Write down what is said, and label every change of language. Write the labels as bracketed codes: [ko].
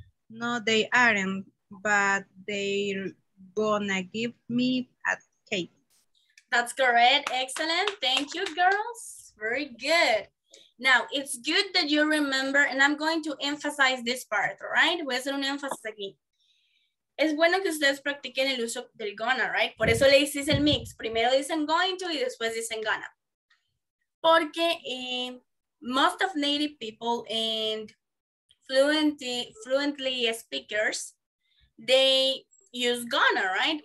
[en] No, they aren't, but they're gonna give me a cake. That's correct. Excellent. Thank you, girls. Very good. Now, it's good that you remember, and I'm going to emphasize this part, right? [es] Voy a hacer un énfasis aquí. Es bueno que ustedes practiquen el uso del gonna, right? Por eso le hicimos el mix. Primero dicen going to y después dicen gonna. Porque [en] most of native people and fluently speakers, they use gonna, right?